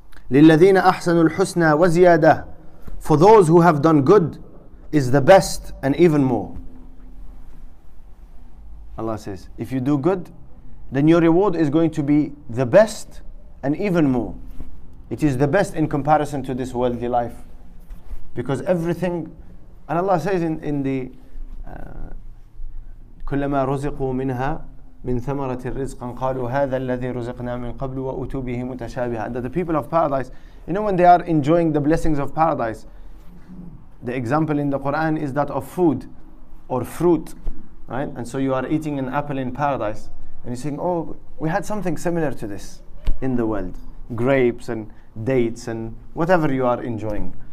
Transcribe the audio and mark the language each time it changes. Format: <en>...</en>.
<ar>لِلَّذِينَ أَحْسَنُوا الْحُسْنَى وَزِيَادَةٌ</ar> <en>for those who have done good is the best and even more. Allah says, if you do good, then your reward is going to be the best and even more. It is the best in comparison to this worldly life. Because everything, and Allah says</en> <ar>كلما رزقوا منها من ثمرة الرزق قالوا هذا الذي رزقنا من قبل وأتوا به متشابها.</ar> <en>That the people of paradise, you know, when they are enjoying the blessings of paradise, the example in the Quran is that of food or fruit, right? And so you are eating an apple in paradise and you're saying, oh, we had something similar to this in the world, grapes and dates and whatever you are enjoying.</en>